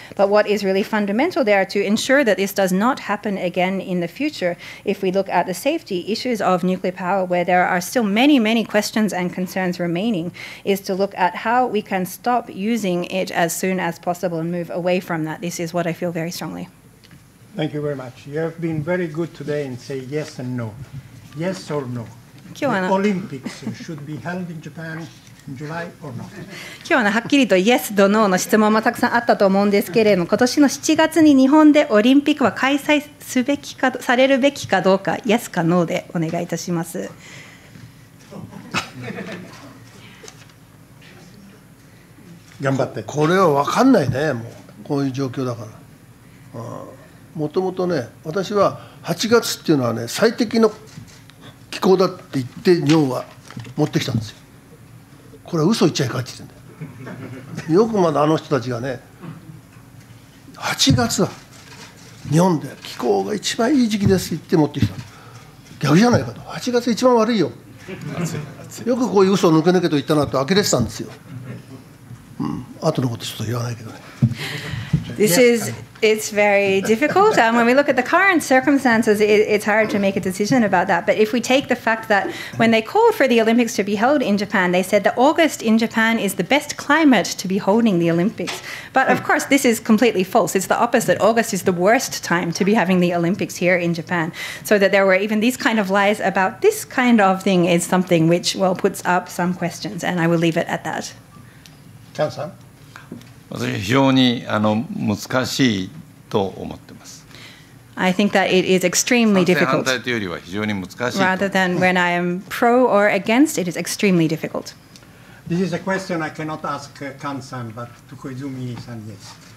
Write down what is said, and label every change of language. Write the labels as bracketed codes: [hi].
[en] But what is really fundamental there to ensure that this does not happen again in the future, if we look at the safety issues of nuclear power, where there are still many, many questions and concerns remaining, is to look at how we can stop using it as soon as possible and move away from that. This is what I feel very strongly. Thank you very much. You have been very good today in saying yes and no. Yes or no. Kiwana. The Olympics should be held in Japan July or not? [ja] 今日ははっきりと Yes と No の質問もたくさんあったと思うんですけれども、今年の7月に日本でオリンピックは開催すべきかされるべきかどうか Yes か No でお願いいたします。頑張ってこれは分かんないね、もうこういう状況だから。もともとね、私は8月っていうのはね最適の気候だって言って日本は持ってきたんですよ。これは嘘言っちゃいかんって言ってんだよ。よくまだあの人たちがね、8月は日本で気候が一番いい時期ですって持ってきた。逆じゃないかと、8月一番悪いよ。よくこういう嘘を抜け抜けと言ったなと呆れてたんですよ。あとのことちょっと言わないけどね。 [en] This is, it's very difficult. And when we look at the current circumstances, it's hard to make a decision about that. But if we take the fact that when they called for the Olympics to be held in Japan, they said that August in Japan is the best climate to be holding the Olympics. But of course, this is completely false. It's the opposite. August is the worst time to be having the Olympics here in Japan. So that there were even these kind of lies about this kind of thing is something which, well, puts up some questions. And I will leave it at that. Chan-san? [ja] 私非常に難しいと思ってます。 [en] I think that it is extremely difficult. [ja] 反対というよりは非常に難しい。 [en] Rather than when I am pro or against, it is extremely difficult. This is a question I cannot ask Kan-san, but to Koizumi-san, yes.